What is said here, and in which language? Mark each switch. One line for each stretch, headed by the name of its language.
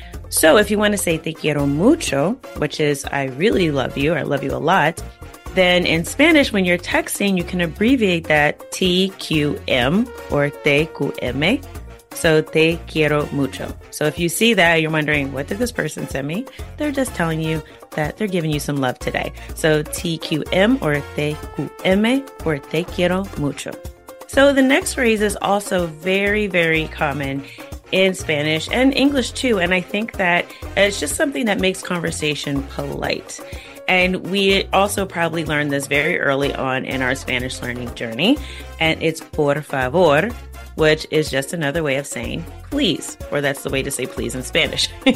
English: So if you want to say
Spanish: te quiero mucho,
English: which is I really love you, I love you a lot, then in Spanish, when you're texting, you can abbreviate that TQM or TQM. So
Spanish: te quiero mucho.
English: So if you see that, you're wondering, what did this person send me? They're just telling you that they're giving you some love today. So TQM or TQM or
Spanish: te quiero mucho.
English: So the next phrase is also very, very common in Spanish and English too. And I think that it's just something that makes conversation polite. And we also probably learned this very early on in our Spanish learning journey. And it's por favor, which is just another way of saying please, or that's the way to say please in Spanish.